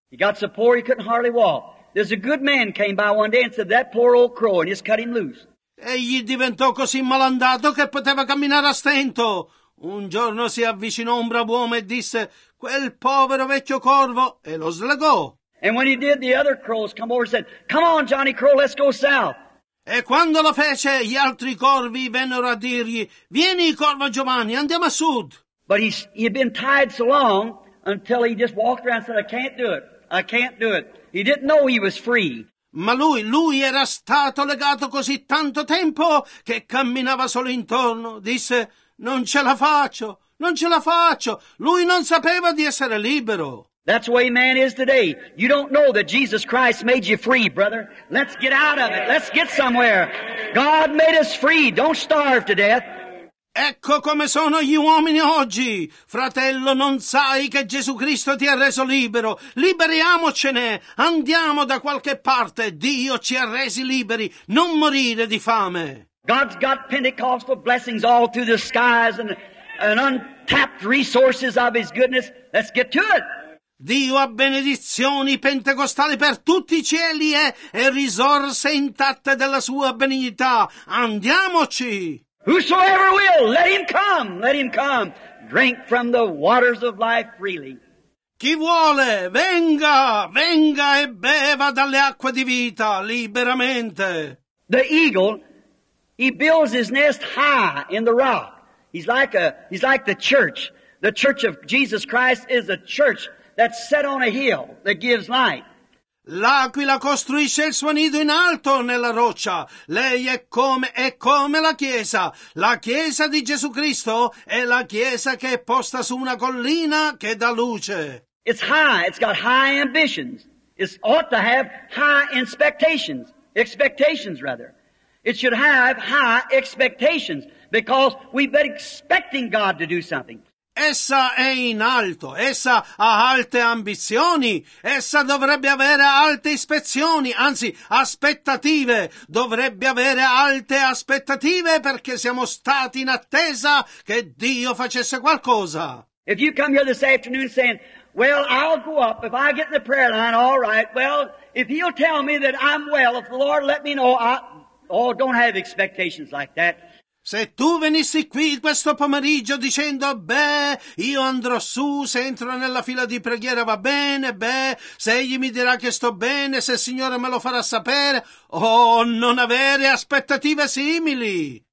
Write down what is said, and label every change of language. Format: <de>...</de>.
<en>He got so poor he couldn't hardly walk. There's a good man came by one day and said, that poor old crow, and just cut him loose.</en> <it>Egli diventò così malandato che poteva camminare a stento. Un giorno si avvicinò un bravo uomo e disse, quel povero vecchio corvo, e lo slegò.</it> <en>And when he did, the other crows come over and said, come on, Johnny Crow, let's go south.</en> <it>E quando lo fece, gli altri corvi vennero a dirgli, vieni, corvo Giovanni, andiamo a sud.</it> <en>But he had been tied so long until he just walked around and said, I can't do it, I can't do it. He didn't know he was free.</en> <it>Ma lui era stato legato così tanto tempo che camminava solo intorno, disse, non ce la faccio, non ce la faccio. Lui non sapeva di essere libero.</it> <en>That's the way man is today. You don't know that Jesus Christ made you free, brother. Let's get out of it. Let's get somewhere. God made us free. Don't starve to death.</en> <it>Ecco come sono gli uomini oggi. Fratello, non sai che Gesù Cristo ti ha reso libero. Liberiamocene. Andiamo da qualche parte. Dio ci ha resi liberi. Non morire di fame.</it> <en>God's got Pentecostal blessings all through the skies and untapped resources of His goodness. Let's get to it!</en> <it>Dio ha benedizioni pentecostali per tutti i cieli e risorse intatte della Sua benignità. Andiamoci!</it> <en>Whosoever will, let him come! Let him come! Drink from the waters of life freely.</en> <it>Chi vuole, venga! Venga e beva dalle acque di vita, liberamente!</it> <en>The eagle... He builds his nest high in the rock. He's like the church. The church of Jesus Christ is a church that's set on a hill that gives light.</en> <it>L'aquila costruisce il suo nido in alto nella roccia. Lei è come la chiesa. La chiesa di Gesù Cristo è la chiesa che è posta su una collina che dà luce.</it> <en>It's high. It's got high ambitions. It ought to have high expectations. Expectations, rather. It should have high expectations because we've been expecting God to do something.</en> <it>Essa è in alto, essa ha alte ambizioni, essa dovrebbe avere alte ispezioni, anzi aspettative, dovrebbe avere alte aspettative perché siamo stati in attesa che Dio facesse qualcosa.</it> <en>If you come here this afternoon saying, well, I'll go up, if I get in the prayer line, all right, well, if he'll tell me that I'm well, if the Lord let me know, Oh, don't have expectations like that.</en> <it>Se tu venissi qui questo pomeriggio dicendo, io andrò su, se entro nella fila di preghiera va bene, se egli mi dirà che sto bene, se il Signore me lo farà sapere, non avere aspettative simili.</it>